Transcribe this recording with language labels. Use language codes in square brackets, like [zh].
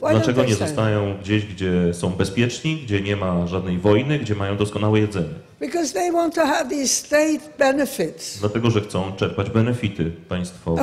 [en] Why [pl] dlaczego nie zostają gdzieś, gdzie są bezpieczni, gdzie nie ma żadnej wojny, gdzie mają doskonałe jedzenie? [en] Because they want to have these state benefits. [pl] Dlatego, że chcą czerpać benefity państwowe.